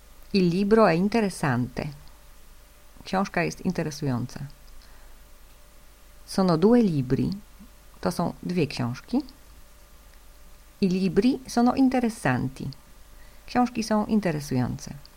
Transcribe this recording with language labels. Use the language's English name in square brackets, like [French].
[Italian] Il libro è interessante. [Polish] Książka jest interesująca. [Italian] Sono due libri. [Polish] To są dwie książki. [Italian] I libri sono interessanti. [Polish] Książki są interesujące.